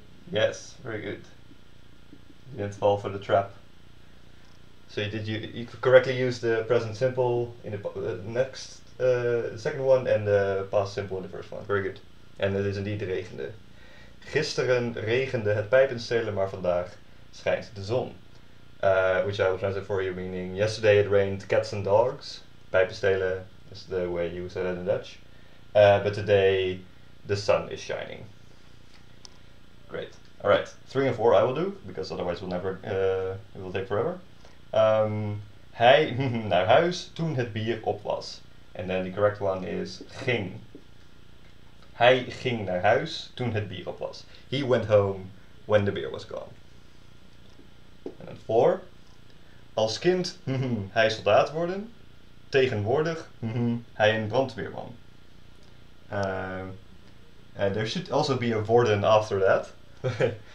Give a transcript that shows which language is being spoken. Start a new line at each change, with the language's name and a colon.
English: Yes, very good. You didn't fall for the trap. So you correctly use the present simple in the second one and the past simple in the first one. Very good. And it is indeed regende.
Dutch: Gisteren regende het pijpenstelen, maar vandaag schijnt de zon.
English: Which I will translate for you, meaning yesterday it rained cats and dogs. Pijpenstelen is the way you say that in Dutch. But today the sun is shining. Great. Alright, three and four I will do, because otherwise it will take forever.
Dutch: Hij naar huis toen het bier op was.
English: And then the correct one is ging. Hij ging naar huis toen het bier op was. He went home when the beer was gone. And then four.
Dutch: Als kind hij soldaat worden. Tegenwoordig hij een brandweerman.
English: There should also be a worden after that.